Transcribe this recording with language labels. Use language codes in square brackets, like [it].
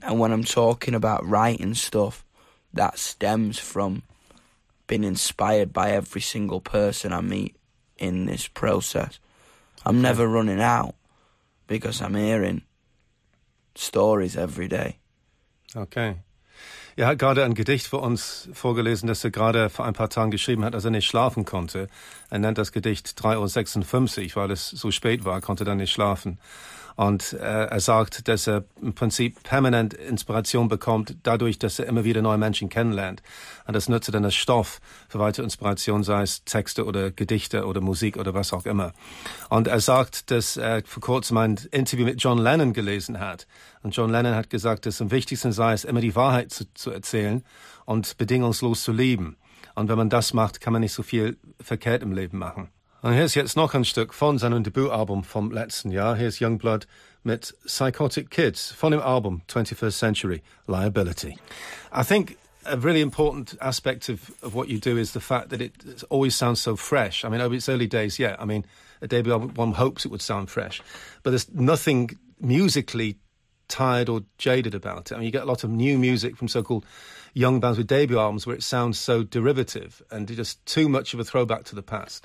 [en] And when I'm talking about writing stuff, that stems from been inspired by every single person I meet in this process. I'm never running out because I'm hearing stories every day. Okay. [de] Er hat gerade ein Gedicht für uns vorgelesen, das er gerade vor ein paar Tagen geschrieben hat, als er nicht schlafen konnte. Er nennt das Gedicht 3:56, weil es so spät war, konnte dann nicht schlafen. Und er sagt, dass er im Prinzip permanent Inspiration bekommt, dadurch, dass er immer wieder neue Menschen kennenlernt. Und das nutzt er dann als Stoff für weitere Inspiration, sei es Texte oder Gedichte oder Musik oder was auch immer. Und er sagt, dass er vor kurzem ein Interview mit John Lennon gelesen hat. Und John Lennon hat gesagt, dass am wichtigsten sei es, immer die Wahrheit zu erzählen und bedingungslos zu lieben. Und wenn man das macht, kann man nicht so viel verkehrt im Leben machen. Und hier ist jetzt noch ein Stück von seinem Debütalbum vom letzten Jahr. Hier ist Youngblood mit Psychotic Kids von dem Album 21st Century Liability. [en] I think a really important aspect of what you do is the fact that it always sounds so fresh. I mean, it's early days, yeah. I mean, a debut album, one hopes it would sound fresh. But there's nothing musically tired or jaded about it. I mean, you get a lot of new music from so-called young bands with debut albums where it sounds so derivative and just too much of a throwback to the past.